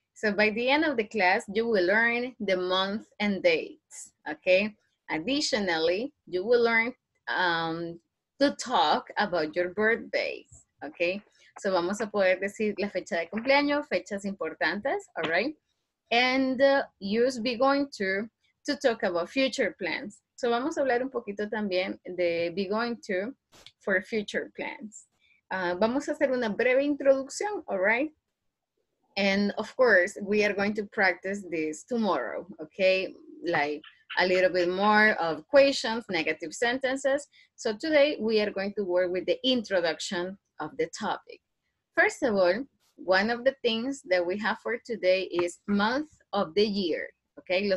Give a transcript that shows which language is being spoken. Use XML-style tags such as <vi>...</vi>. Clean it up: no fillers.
<en>So by the end of the class, you will learn the month and dates, okay? Additionally, you will learn to talk about your birthdays, okay?</en> <es>So vamos a poder decir la fecha de cumpleaños, fechas importantes,</es> <en>all right? And you'll be going to talk about future plans.</en> <es>So vamos a hablar un poquito también de</es> <en>be going to for future plans.</en> <es>Vamos a hacer una breve introducción,</es> <en>all right? And of course, we are going to practice this tomorrow, okay? Like a little bit more of questions, negative sentences. So today we are going to work with the introduction of the topic. First of all, one of the things that we have for today is month of the year, okay?</en>